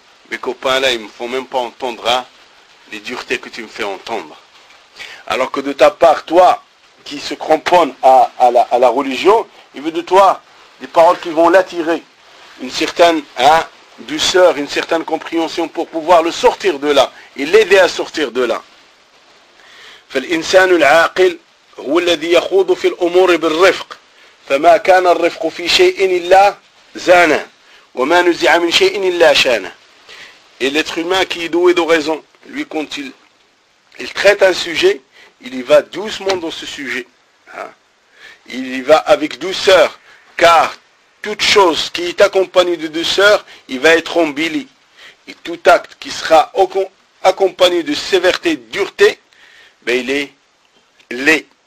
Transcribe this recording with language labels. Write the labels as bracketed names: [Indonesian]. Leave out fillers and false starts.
[French] Mes copains là, ils ne me font même pas entendre, hein, les duretés que tu me fais entendre. Alors que de ta part, toi, qui se cramponne à la religion, il veut de toi des paroles qui vont l'attirer, une certaine, hein, douceur, une certaine compréhension pour pouvoir le sortir de là et l'aider à sortir de là. [Arabic] فالإنسان العاقل هو الذي يخوض في الأمور بالرفق فما كان الرفق في شيء إلا زانا وما نزع من شيء إلا شانا. [French] Et l'être humain qui est doué de raison, lui quand il traite un sujet, il y va doucement dans ce sujet. Hein? Il y va avec douceur, car toute chose qui est accompagnée de douceur, il va être embellie. Et tout acte qui sera accompagné de sévérité, dureté, ben il est laid.